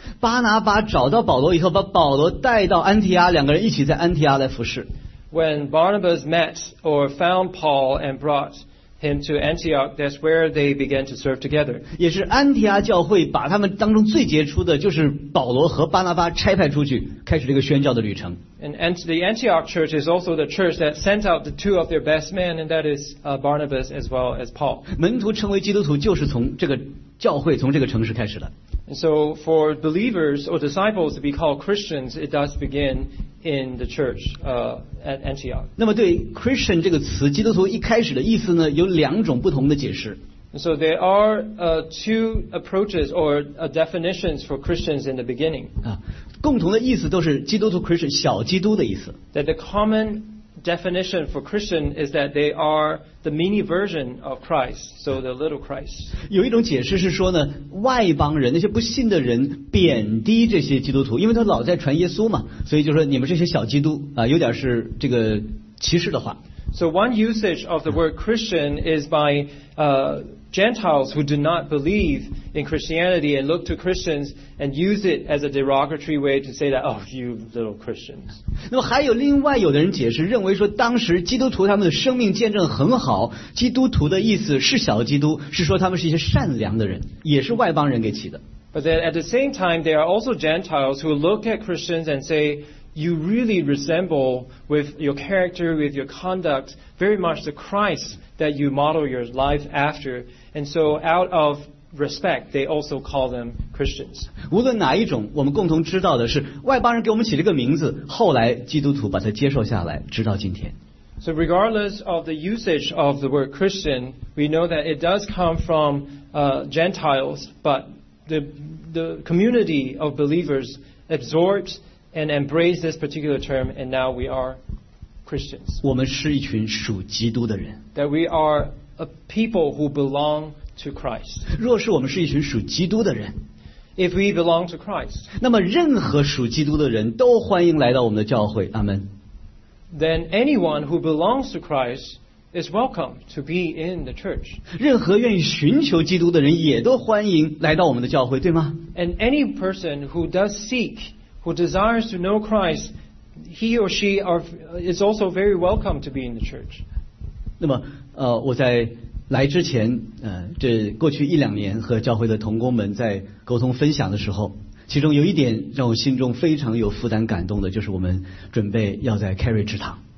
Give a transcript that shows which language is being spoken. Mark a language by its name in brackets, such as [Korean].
[Chinese] 巴拿巴找到保罗以后，把保罗带到安提阿，两个人一起在安提阿来服侍。 [English] When Barnabas met or found Paul and brought him to Antioch, that's where they began to serve together. [Chinese] 也是安提阿教会把他们当中最杰出的，就是保罗和巴拿巴差派出去，开始这个宣教的旅程。 [English] And the Antioch church is also the church that sent out the two of their best men, and that is Barnabas as well as Paul. [Chinese] 门徒成为基督徒就是从这个教会，从这个城市开始的。 [English] And so for believers or disciples to be called Christians, it does begin in the church at Antioch. [Chinese] 那么对 Christian 这个词，基督徒一开始的意思呢，有两种不同的解释。 [English] And so there are two approaches or definitions for Christians in the beginning. [Chinese] 啊，共同的意思都是基督徒 Christian 小基督的意思。 [English] That the common definition for Christian is that they are the mini version of Christ, so the little Christ. [Chinese] 有一种解释是说呢，外邦人那些不信的人贬低这些基督徒，因为他老在传耶稣嘛，所以就说你们这些小基督啊，有点是这个歧视的话。 [English] So one usage of the word Christian is by Gentiles who do not believe in Christianity and look to Christians and use it as a derogatory way to say that, oh, you little Christians. [Chinese] 那么还有另外有的人解释，认为说当时基督徒他们的生命见证很好，基督徒的意思是小基督，是说他们是一些善良的人，也是外邦人给起的。 [English] But then at the same time, there are also Gentiles who look at Christians and say, you really resemble with your character, with your conduct, very much the Christ. That you model your life after, and so out of respect, they also call them Christians. [Chinese] 无论哪一种，我们共同知道的是，外邦人给我们起这个名字，后来基督徒把它接受下来，直到今天。 [English] So regardless of the usage of the word Christian, we know that it does come from Gentiles, but the community of believers absorbs and embrace this particular term, and now we are. Christians. [Chinese] 我们是一群属基督的人。 [English] That we are a people who belong to Christ. [Chinese] 若是我们是一群属基督的人。 [English] If we belong to Christ. [Chinese] 那么任何属基督的人都欢迎来到我们的教会。阿们。 [English] Then anyone who belongs to Christ is welcome to be in the church. [Chinese] 任何愿意寻求基督的人也都欢迎来到我们的教会，对吗？ [English] And any person who does seek, who desires to know Christ,He or she is also very welcome to be in the church. [Chinese] 那么，我在来之前，这过去一两年和教会的同工们在沟通分享的时候，其中有一点让我心中非常有负担感动的，就是我们准备要在 Carry 职堂。